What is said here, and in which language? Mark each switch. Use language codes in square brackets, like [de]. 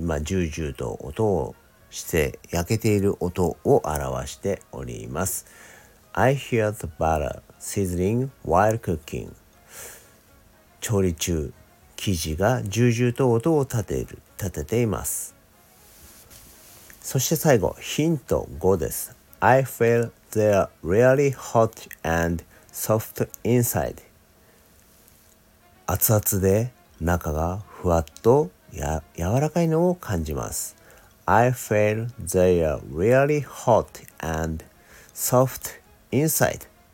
[ja] まあジュージューと音をして焼けている音を表しております。 [en] I hear the butter sizzling while cooking。 [ja] 調理中生地がジュージューと音を立てています。そして最後ヒント5です。 [en] I feel they're really hot and soft inside。 [ja] 熱々で中がふわっと柔らかいのを感じます。 [en] I feel they are really hot and soft inside。